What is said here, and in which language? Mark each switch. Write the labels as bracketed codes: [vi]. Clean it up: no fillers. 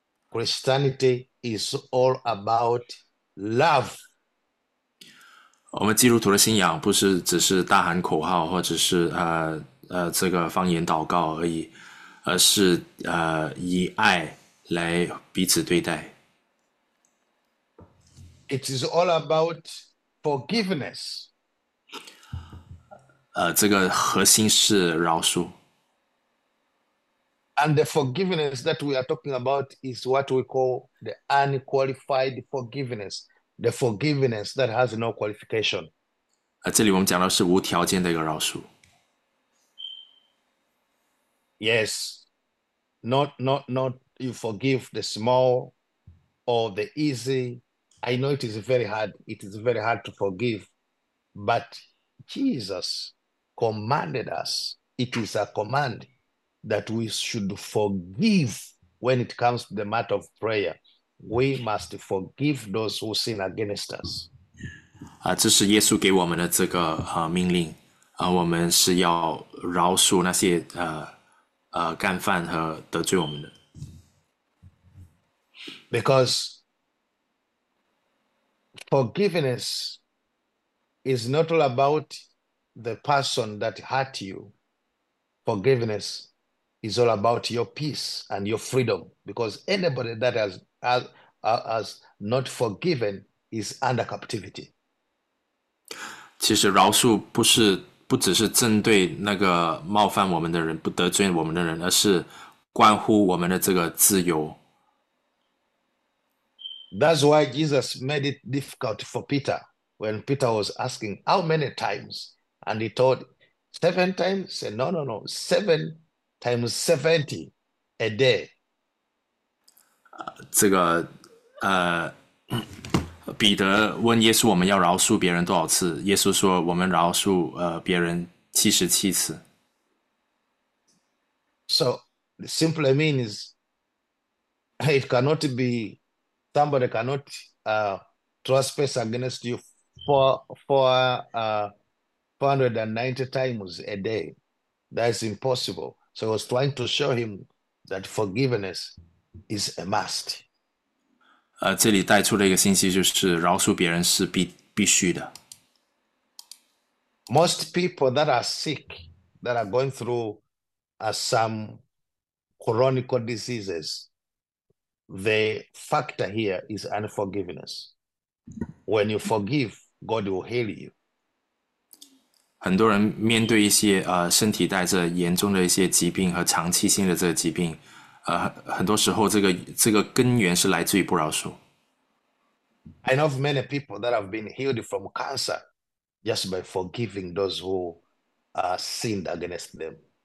[en] Christianity is all about love. [zh] 我们基督徒的信仰不是只是大喊口号，或者是这个方言祷告而已，而是以爱来彼此对待。 [en] It is all about forgiveness. [zh] 这个核心是饶恕。 [en] And the forgiveness that we are talking about is what we call the unqualified forgiveness, the forgiveness that has no qualification. [zh] 这里我们讲的是无条件的一个饶恕。 [en] Yes, not you forgive the small or the easy. I know it is very hard. It is very hard to forgive, but Jesus commanded us. It is a command that we should forgive when it comes to the matter of prayer. We must forgive those who sin against us. [zh] 这是耶稣给我们的这个命令，我们是要饶恕那些干犯和得罪我们的。 [en] Because forgiveness is not all about the person that hurt you. Forgiveness is all about your peace and your freedom. Because anybody that has not forgiven is under captivity. [zh] 其实饶恕不只是针对那个冒犯我们的人、不得罪我们的人，而是关乎我们的这个自由。 [en] That's why Jesus made it difficult for Peter when Peter was asking, how many times? And he told, seven times? He said, no, 7 times 70 a day. [zh] 这个彼得问耶稣：“我们要饶恕别人多少次？” 耶稣说：“我们饶恕别人77次。 [en] So the simple mean is it cannot be. Somebody cannot trespass against you for 490 times a day. That is impossible. So I was trying to show him that forgiveness is a must. [zh] ”这里带出的一个信息就是，饶恕别人是必须的。 [en] Most people that are sick, that are going through some chronic diseases. The factor here is unforgiveness. When you forgive, God will heal you. [zh] 很多人面对一些身体带着严重的一些疾病和长期性的这个疾病，很多时候这个根源是来自于不饶恕。 [en] I know of many people that have been healed from cancer just by forgiving those who sinned against them.